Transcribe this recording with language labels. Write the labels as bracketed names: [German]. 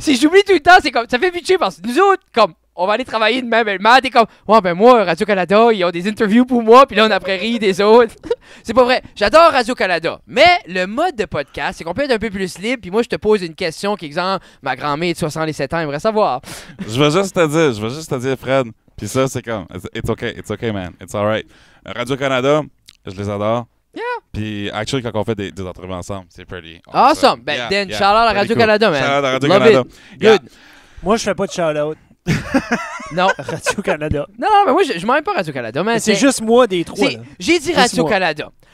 [French] Si j'oublie tout le temps, c'est comme, ça fait bitcher parce que nous autres, comme, on va aller travailler demain, mais le mat est comme, ouais, ben moi, Radio-Canada, ils ont des interviews pour moi, puis là, on a après ri des autres. C'est pas vrai. J'adore Radio-Canada, mais le mode de podcast, c'est qu'on peut être un peu plus libre, puis moi, je te pose une question qui, exemple, ma grand-mère est de 67 ans, aimerait savoir. Je veux juste te dire, Fred. Puis ça, c'est comme, [English] it's okay, man, it's all right. [French] Radio-Canada, je les adore. [English] Yeah. [French] Puis, actually, quand on fait des entrevues ensemble, c'est pretty [English] awesome. Awesome. Ben, yeah, then, shout-out à Radio-Canada, cool. Man. [French] Shout-out à Radio-Canada. [English] Good. [French] Moi, je fais pas de shout-out. Non. Radio-Canada. Non, mais moi, je m'aime pas Radio-Canada, man. C'est juste moi des trois. J'ai dit Radio-Canada.